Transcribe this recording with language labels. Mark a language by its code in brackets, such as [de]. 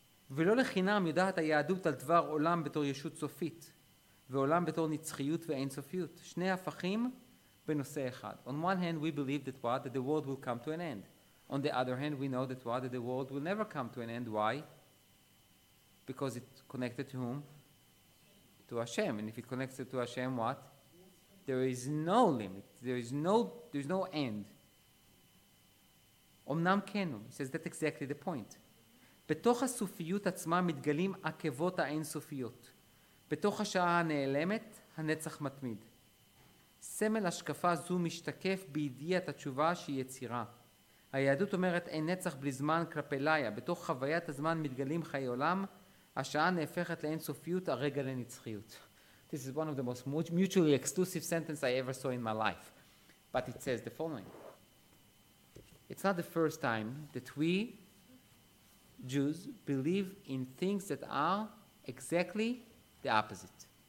[he] ולא לחינם יודעת היהדות על דבר עולם בתור ישות סופית, ועולם בתור נצחיות ואינסופיות. שני הפכים בנושא אחד. [en] On one hand, we believe that what? That the world will come to an end. On the other hand, we know that what? That the world will never come to an end. Why? Because it connected to whom? To Hashem. And if it connects it to Hashem, what? There is no limit. There is no end. [he] אמנם כן, [en] he says that exactly the point. [he] בתוך הסופיות עצמה מתגלים עקבות האינסופיות. בתוך השעה הנעלמת, הנצח מתמיד. סמל השקפה זו משתקף בידיעת התשובה שהיא יצירה. היהדות אומרת אין נצח בלי זמן כלפי לילה. בתוך חוויית הזמן מתגלים חיי עולם, השעה נהפכת לאינסופיות, הרגע לנצחיות. [en] This is one of the most mutually exclusive sentences I ever saw in my life. But it says the following. It's not the first time that we Jews believe in things that are exactly the opposite.